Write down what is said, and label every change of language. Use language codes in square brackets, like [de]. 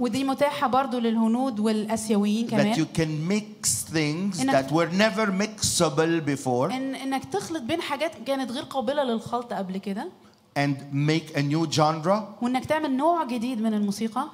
[ar] ودي متاحة برضو للهنود والآسيويين كمان. [en] That you can mix things that were never mixable before. [ar] إنك تخلط بين حاجات كانت غير قابلة للخلط قبل كده. [en] And make a new genre. [ar] وإنك تعمل نوع جديد من الموسيقى.